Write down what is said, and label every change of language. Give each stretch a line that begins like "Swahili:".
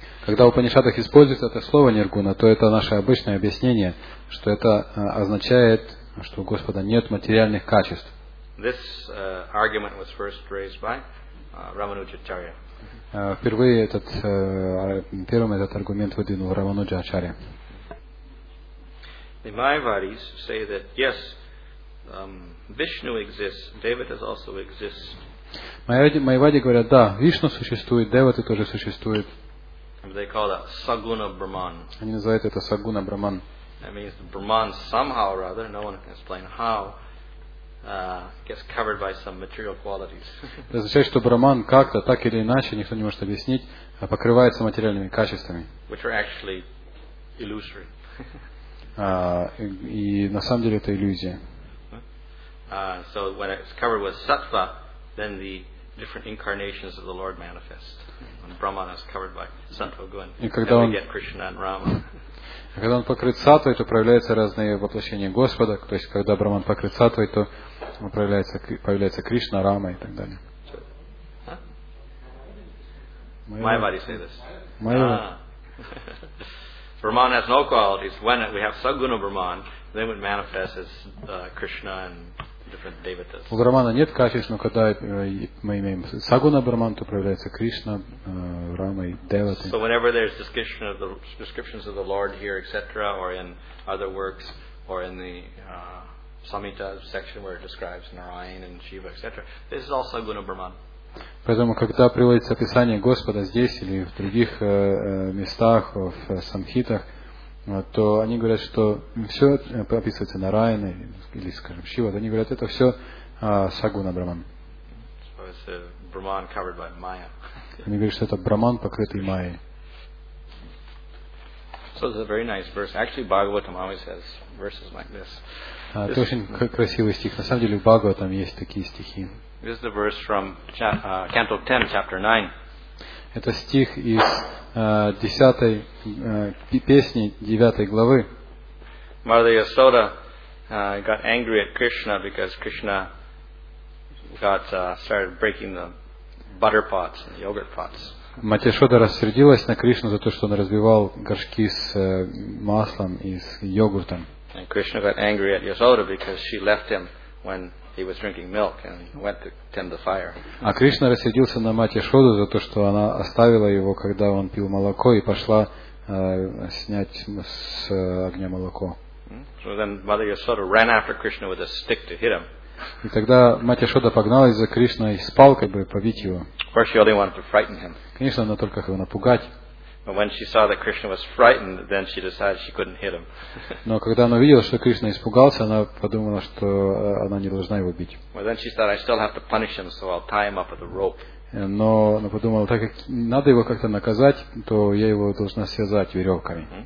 Russian: Когда в Упанишадах используется это слово ниргуна, то это наше обычное объяснение, что это означает, что у Господа нет материальных качеств.
English: This argument was first raised by Ramanujacharya.
Russian: Впервые этот первым этот аргумент выдвинул Рамануджачарья.
English: The Mayavadis say that yes, Vishnu exists, Devatas also exist.
Russian: Майявади говорят, да, Вишну существует, Деваты тоже существуют.
English: They call that Saguna Brahman.
Russian: Они называют это Сагуна Брахман.
English: That means the Brahman somehow or other, no one can explain how, gets covered by some material qualities.
Russian: Это означает, что Брахман как-то, так или иначе, никто не может объяснить, покрывается материальными качествами.
English: Which are actually illusory.
Russian: И на самом деле это иллюзия.
English: So when it's covered with sattva, then the different incarnations of the Lord manifest. When Brahman is covered by sattva gun, then we get Krishna and Rama.
Russian: Когда он покрыт сатвой, то проявляются разные воплощения Господа. То есть, когда Брахман покрыт сатвой, то появляется Кришна, Рама и так далее.
English: Майвади say this.
Russian: Майвади.
English: Brahman has no qualities. When we have Saguna Brahman, then it manifests as Krishna and different devatas.
Russian: У Брахмана нет качеств, но когда мы имеем Сагуна Брахман, то проявляется Кришна, Рама и Девата.
English: So whenever there's descriptions of the Lord here, etc., or in other works, or in the Samhita section where it describes Narayana and Shiva, etc., this is all Saguna Brahman.
Russian: Поэтому, когда приводится описание Господа здесь или в других местах, в Самхитах, то они говорят, что все описывается Нараяна или, скажем, Шива, они говорят, это все Сагуна Брахман.
English: Brahman covered by Maya.
Russian: Они говорят, что это Брахман, покрытый Майей.
English: So this is a very nice verse. Actually, Bhagavatam always has verses like this.
Russian: Это очень красивый стих. На самом деле, в Бхагаватам есть такие стихи.
English: This is the verse from Canto 10, Chapter 9.
Russian: Это стих из десятой песни девятой главы.
English: Mother Yasoda got angry at Krishna because Krishna started breaking the butter pots, the yogurt pots.
Russian: Мать Яшода рассердилась на Кришну за то, что он разбивал горшки с маслом и с йогуртом.
English: And Krishna got angry at Yasoda because she left him when he was drinking milk and went to tend the fire.
Russian: А Кришна рассердился на мать Яшоду за то, что она оставила его, когда он пил молоко, и пошла снять с огня молоко.
English: So then Mother Yasoda ran after Krishna with a stick to hit him.
Russian: И тогда мать Яшода погналась за Кришной с палкой, чтобы побить его.
English: Of course, she only wanted to frighten him.
Russian: Конечно, она только хотела напугать.
English: But when she saw that Krishna was frightened, then she decided she couldn't hit him.
Russian: Но когда она увидела, что Кришна испугался, она подумала, что она не должна его бить.
English: Well, then she thought, I still have to punish him, so I'll tie him up with a rope.
Russian: Но она подумала, так как надо его как-то наказать, то я его должна связать веревками.